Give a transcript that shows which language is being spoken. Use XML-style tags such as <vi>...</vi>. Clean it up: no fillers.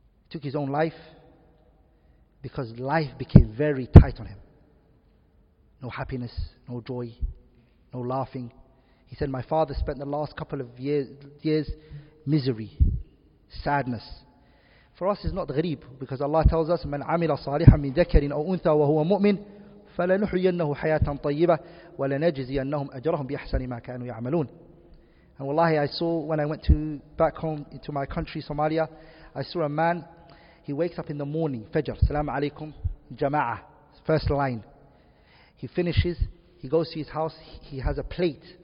<en>Took his own life because life became very tight on him. No happiness, no joy, no laughing. He said, my father spent the last couple of years misery, sadness. For us, it's not ghareeb, because Allah tells us,</en> <ar>مَنْ عَمِلَ صَالِحًا مِنْ ذَكَرٍ أَوْ أُنْثَى وَهُوَ مُؤْمِنٍ فَلَنُحْيَنَّهُ حَيَاةً طَيِّبَةً وَلَنَجْزِيَنَّهُمْ أَجْرَهُمْ بِأَحْسَنِ مَا كَانُوا يَعْمَلُونَ.</ar> <en>And wallahi, I saw when I went to back home into my country, Somalia, I saw a man, he wakes up in the morning, Fajr, Salaam Alaikum, Jama'ah, first line. He finishes, he goes to his house, he has a plate.</en>